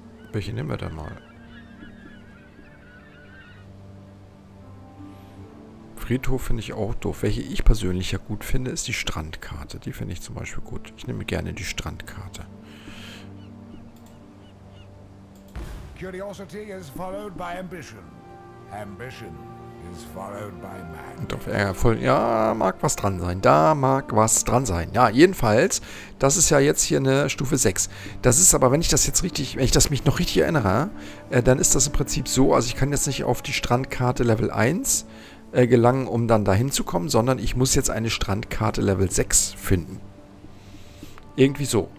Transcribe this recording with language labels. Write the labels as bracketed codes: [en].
[de] Welche nehmen wir denn mal? Friedhof finde ich auch doof. Welche ich persönlich ja gut finde, ist die Strandkarte. Die finde ich zum Beispiel gut. Ich nehme gerne die Strandkarte. [en] Curiosity is followed by ambition. Ambition is followed by man. [de] Und auf Erfolg. Ja, mag was dran sein. Da mag was dran sein. Ja, jedenfalls, das ist ja jetzt hier eine Stufe 6. Das ist aber, wenn ich das jetzt richtig, wenn ich das mich noch richtig erinnere, dann ist das im Prinzip so, also ich kann jetzt nicht auf die Strandkarte Level 1 gelangen, um dann dahin zu kommen, sondern ich muss jetzt eine Strandkarte Level 6 finden. Irgendwie so.